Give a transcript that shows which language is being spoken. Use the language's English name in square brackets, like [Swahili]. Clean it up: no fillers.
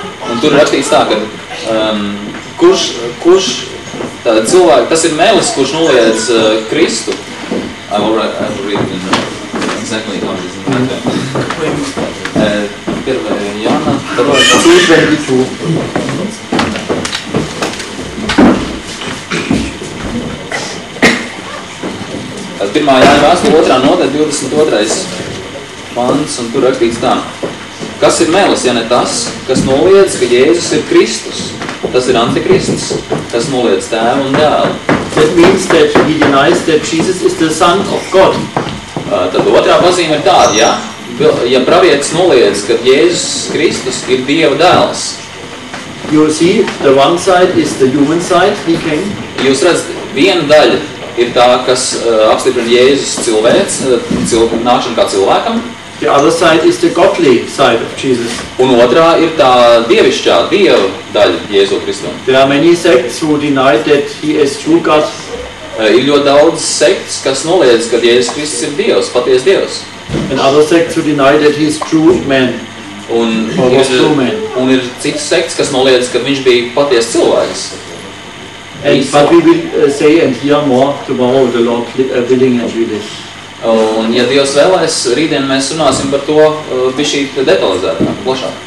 [Latvian] Un tur ir rakstīts tā, ka kurš tātad cilvēki, tas ir melis, kurš noliedz Kristu. [English] I will read in exactly how it's in that way. [Latvian] Pirmā Jāna, tad vēl 22. Pirmā Jāna vēstule, otrā nodaļa, 22. pants, un tur rakstīts tā. Kas ir melis, ja ne tas, kas noliedz, ka Jēzus ir Kristus? Tas ir Antikrists, kas noliedz tēvu un dēlu. [English] That means that he denies that Jesus is the Son of God. [Latvian] Tad otrā pazīme ir tāda, ja pravietis noliedz, ka Jēzus Kristus ir Dieva dēls. [English] You see, the one side is the human side, he came. [Latvian] Jūs redzat, viena daļa ir tā, kas apstiprina Jēzus cilvēks, nākšana kā cilvēkam. [English] The other side is the godly side of Jesus. [Latvian] Un otrā ir tā dievišķā, Dieva daļa Jēzus Kristus. [English] There are many sects who deny that he is true God. [Latvian] Ir ļoti daudz sekts, kas noliedz, ka Jēzus Kristus ir Dievs, paties Dievs. [English] And other sects who deny that he is true man. [Latvian] Un ir cits sekts, kas noliedz, ka viņš bija paties cilvēks. [English] But we will say and hear more tomorrow, the Lord willing and willing. [Latvian] Un, ja Dievs vēlēs, rītdien mēs runāsim par to bišķi detalizētāk, plašāk.